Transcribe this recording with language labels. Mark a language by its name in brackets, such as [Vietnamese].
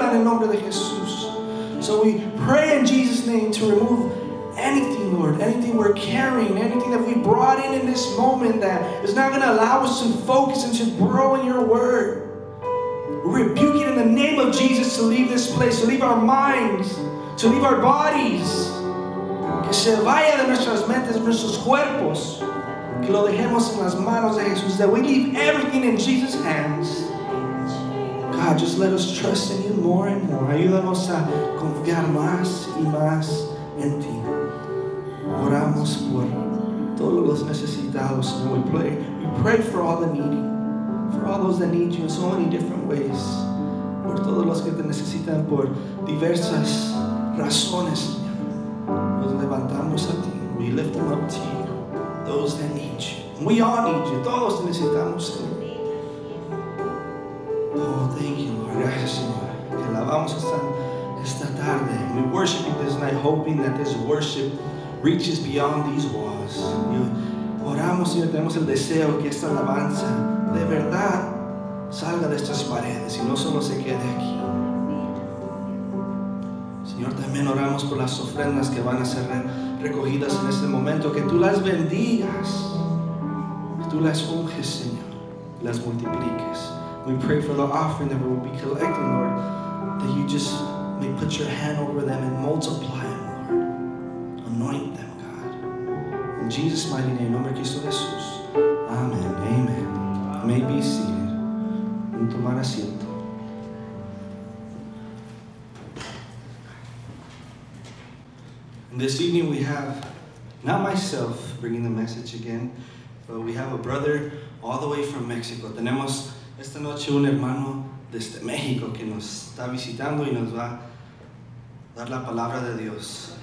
[English] So we pray in Jesus' name to remove anything, Lord, anything we're carrying, anything that we brought in this moment that is not going to allow us to focus and to grow in your word. We rebuke it in the name of Jesus to leave this place, to leave our minds, to leave our bodies. [Spanish] Que se vaya de nuestras mentes, nuestros cuerpos. Que lo dejemos en las manos de Jesús. [English] That we leave everything in Jesus' hands. God, just let us trust in you more and more. [Spanish] Ayúdanos a confiar más y más en ti. Oramos por todos los necesitados. [English] We pray for all the needy, for all those that need you in so many different ways. [Spanish] Por todos los que te necesitan por diversas razones. Nos levantamos a ti. [English] We lift them up to you. Those that need you. We all need you. [Spanish] Todos necesitamos. [English] Oh, thank you, Lord. [Spanish] Gracias, Señor. Te alabamos hasta esta tarde. [English] We're worshiping this night, hoping that this worship reaches beyond these walls. [Spanish] Oramos, Señor, tenemos el deseo que esta alabanza de verdad salga de estas paredes y no solo se quede aquí. Señor, también oramos por las ofrendas que van a ser recogidas en este momento, que tú las bendigas, que tú las unges, Señor, las multipliques. [English] We pray for the offering that we will be collecting, Lord, that you just may put your hand over them and multiply them, Lord. Anoint them, God. In Jesus' mighty name, [Spanish] nombre Cristo Jesús. [English] Amen. Amen. You may be seated. [Spanish] Un tomar asiento. [English] This evening we have, not myself bringing the message again, but we have a brother all the way from Mexico. [Spanish] Tenemos esta noche un hermano desde México que nos está visitando y nos va a dar la palabra de Dios.